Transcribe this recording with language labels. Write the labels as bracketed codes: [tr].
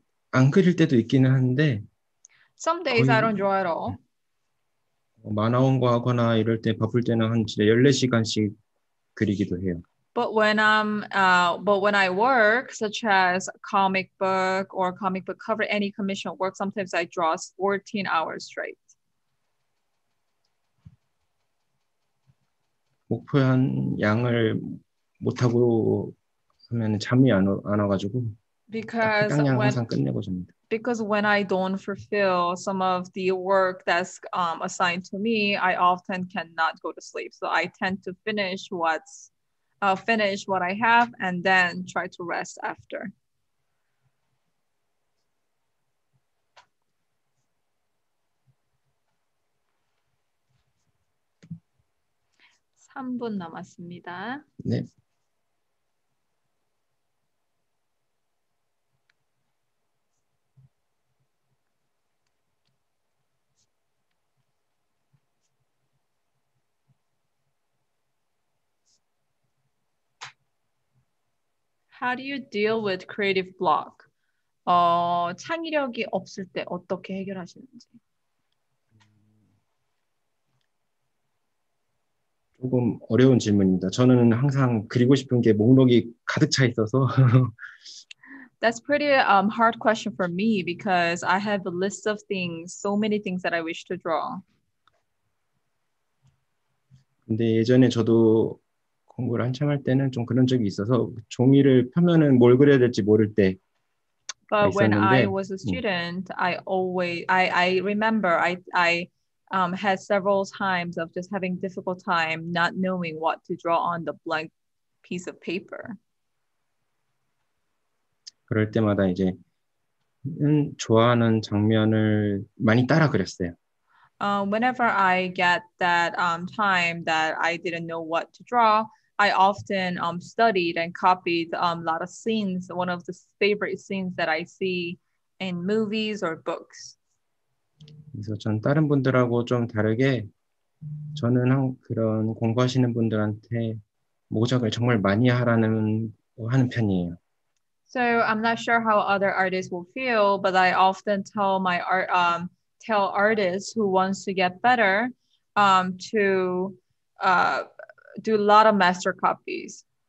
[ko] 안 그릴 때도 있기는 한데. [en] Some days [ko] 거의... [en] I don't draw at all. [ko] 만화 원고 하거나 이럴 때 바쁠 때는 한 진짜 14시간씩 그리기도 해요. [en] But when I'm but when I work such as comic book or comic book cover any commission work sometimes I draw 14 hours straight. [ko] 목표한 양을 못 하고 하면 잠이 안 와 가지고 [en] Because when I don't fulfill some of the work that's assigned to me, I often cannot go to sleep. So I tend to finish what I have and then try to rest after. Three How do you deal with creative block? [ko] 창의력이 없을 때 어떻게 해결하시는지. 조금 어려운 질문입니다. 저는 항상 그리고 싶은 게 목록이 가득 차 있어서. [en] That's pretty hard question for me because I have a list of things, so many things that I wish to draw. [ko] 근데 예전에 저도 공부를 한참 할 때는 좀 그런 적이 있어서 종이를 펴면은 뭘 그려야 될지 모를 때 [en] But when I was a student, I remember I had several times of just having difficult time not knowing what to draw on the blank piece of paper. [ko] 그럴 때마다 이제 좋아하는 장면을 많이 따라 그렸어요. [en] Whenever I get that time that I didn't know what to draw, I often studied and copied a lot of scenes, one of the favorite scenes that I see in movies or books. [ko] 그래서 전 다른 분들하고 좀 다르게 저는 그런 공부하시는 분들한테 모작을 정말 많이 하는 편이에요. [en] So I'm not sure how other artists will feel, but I often tell my art tell artists who wants to get better to do a lot of master copies.